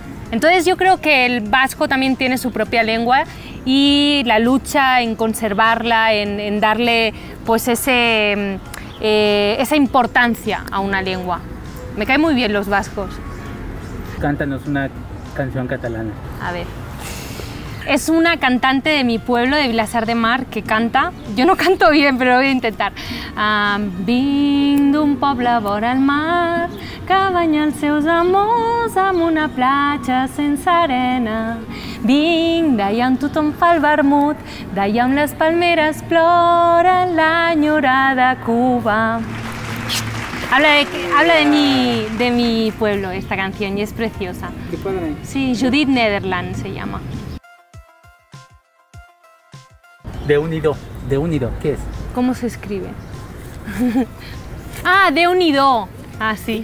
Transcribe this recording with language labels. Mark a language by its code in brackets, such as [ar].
[es] Entonces yo creo que el vasco también tiene su propia lengua y la lucha en conservarla, en darle pues esa importancia a una lengua. Me caen muy bien los vascos. Cántanos una canción catalana. A ver. Es una cantante de mi pueblo, de Vilassar de Mar, que canta. Yo no canto bien, pero lo voy a intentar. [ca] Vinc d'un poble vora el mar, que banya els seus amors amb una platja sense arena. Vinc d'allà on tothom fa el vermut, d'allà on les palmeres ploren l'enyorada Cuba. [es] Habla de mi pueblo esta canción y es preciosa. ¿Qué padre? Sí, Judith Nederland se llama. De unido, ¿qué es? ¿Cómo se escribe? Ah, de unido. Ah, sí.